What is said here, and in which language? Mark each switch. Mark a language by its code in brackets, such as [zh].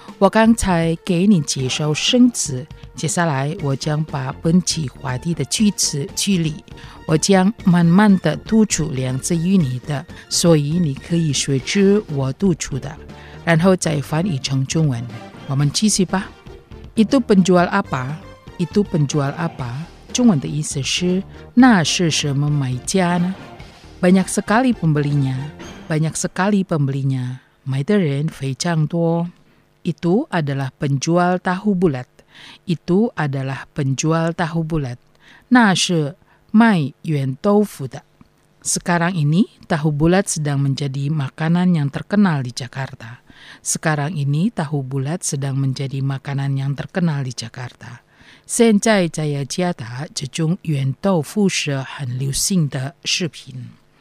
[zh] 我刚才给你介绍生词，接下来我将把本期话题的句子句例，我将慢慢的读出两字印尼的，所以你可以随之我读出的，然后再翻译成中文。我们继续吧。 [id] Itu penjual apa? Itu penjual apa? [zh] 中文的意思是那是什么买家呢？ [id] Banyak sekali pembelinya. Banyak sekali pembelinya. [zh] 买的人非常多。 [id] Itu adalah penjual tahu bulat. Itu adalah penjual tahu bulat. [zh] 那是卖圆豆腐的。 [id] Sekarang ini tahu bulat sedang menjadi makanan yang terkenal di Jakarta. Sekarang ini tahu bulat sedang menjadi makanan yang terkenal di Jakarta. [zh] 现在在雅加达这种远道辐射很流行的食品。